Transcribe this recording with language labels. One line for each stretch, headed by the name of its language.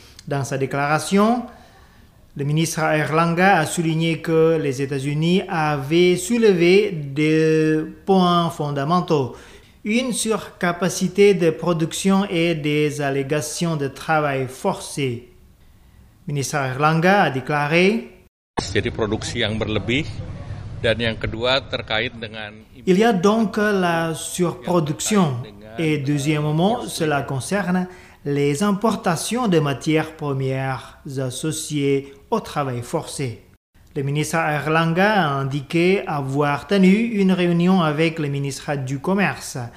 French: Dans sa déclaration, le ministre Erlangga a souligné que les États-Unis avaient soulevé deux points fondamentaux, une surcapacité de production et des allégations de travail forcé. Le ministre Erlangga a déclaré:
Indonesian: Jadi produksi yang berlebih dan yang kedua terkait dengan
French: il y a donc la surproduction et deuxièmement cela concerne les importations de matières premières associées au travail forcé. Le ministre Erlangga a indiqué avoir tenu une réunion avec le ministre du Commerce,